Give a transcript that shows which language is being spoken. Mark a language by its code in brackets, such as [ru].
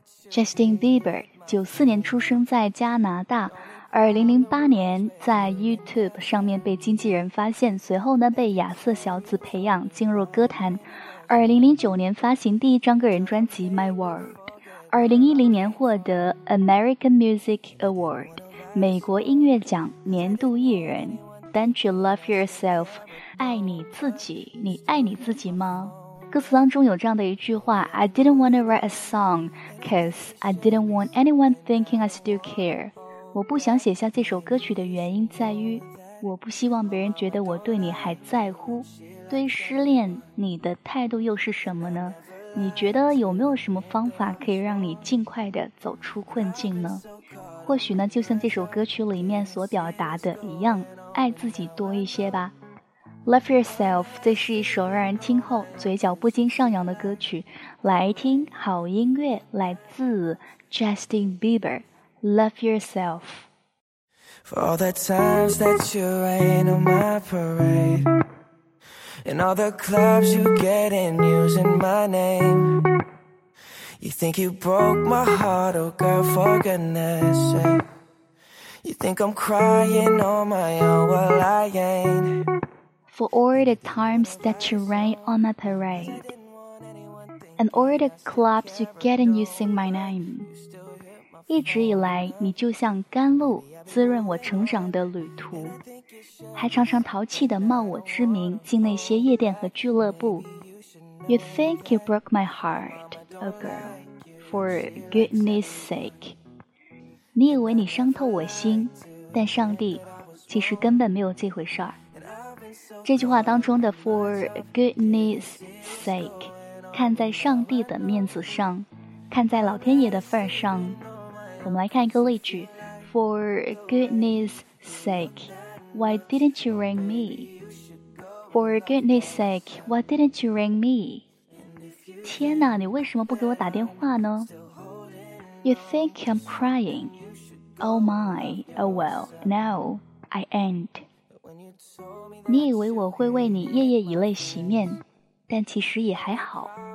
[zh] Justin Bieber 94年出生在加拿大，2008年在 YouTube 上面被经纪人发现，随后呢被亚瑟小子培养进入歌坛，2009年发行第一张个人专辑 My World， 2010年获得 American Music Award 美国音乐奖年度艺人。单曲 Love Yourself 爱你自己，你爱你自己吗？歌词当中有这样的一句话， [en] I didn't want to write a song cause I didn't want anyone thinking I still care。 [zh] 我不想写下这首歌曲的原因在于我不希望别人觉得我对你还在乎。对失恋你的态度又是什么呢？你觉得有没有什么方法可以让你尽快的走出困境呢？或许呢就像这首歌曲里面所表达的一样，爱自己多一些吧。 Love Yourself 这是一首让人听后嘴角不禁上扬的歌曲，来听好音乐，来自 Justin Bieber Love Yourself。 [en] For all the times that you rain on my parade，And all the clubs you get in using my name. You think you broke my heart, oh girl, for goodness sake. You think I'm crying on my own, well I ain't. For all the times that you rain on my parade, and all the clubs you get in using my name. [zh] 一直以来你就像甘露滋润我成长的旅途，还常常淘气地冒我之名进那些夜店和俱乐部。 [en] You think you broke my heart, oh girl, for goodness sake. [zh] 你以为你伤透我心，但上帝其实根本没有这回事儿。这句话当中的 [en] for goodness sake [zh] 看在上帝的面子上，看在老天爷的份上。我们来看一个例句， [en] For goodness sake,Why didn't you ring me? For goodness sake, why didn't you ring me? [zh] 天哪，你为什么不给我打电话呢？ [en] You think I'm crying? Oh my, oh well, now I ain't. [zh] 你以为我会为你夜夜以泪洗面，但其实也还好。